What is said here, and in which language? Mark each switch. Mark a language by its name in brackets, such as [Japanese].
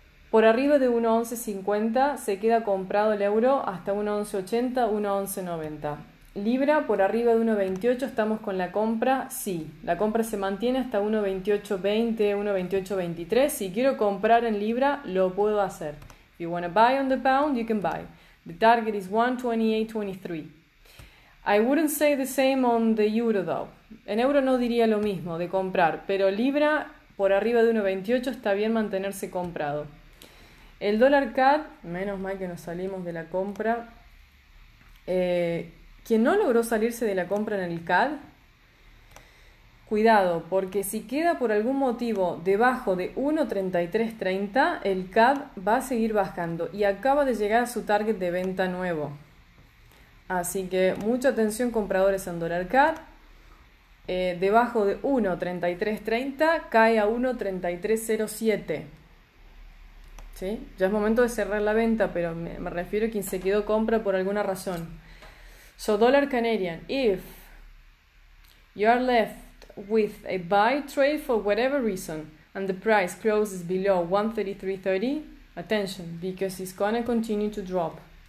[Spanish] Por arriba de 1,1150 se queda comprado el euro hasta 1,1180, 1,1190. Libra, por arriba de 1,28 estamos con la compra. Sí, la compra se mantiene hasta 1,2820, 1,2823. Si quiero comprar en Libra, lo puedo hacer. [English] If you want to buy on the pound, you can buy. The target is 1,2823. I wouldn't say the same on the euro though. [Spanish] En euro no diría lo mismo de comprar, pero Libra por arriba de 1,28 está bien mantenerse comprado. El dólar CAD, menos mal que nos salimos de la compra. Quien no logró salirse de la compra en el CAD, cuidado, porque si queda por algún motivo debajo de 1,3330, el CAD va a seguir bajando y acaba de llegar a su target de venta nuevo. Así que mucha atención, compradores en dólar CAD. Debajo de 1,3330 cae a 1,3307. ¿Sí? Ya es momento de cerrar la venta, pero me refiero a quien se quedó compra por alguna razón. [English] So, dollar Canadian, if you are left with a buy trade for whatever reason and the price closes below 1,3330, attention, because it's going to continue to drop.